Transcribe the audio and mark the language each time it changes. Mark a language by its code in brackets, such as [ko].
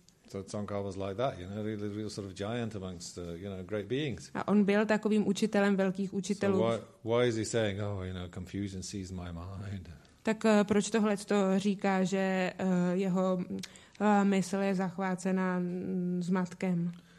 [en] So Tsongkhapa was like that, you know, real sort of giant amongst you know, great beings. [cs] A on byl takovým učitelem velkých učitelů. [en] So why is he saying, oh, you know, confusion seized my mind? [cs] Tak proč tohle to říká, že jeho mysl je zachvácena zmatkem?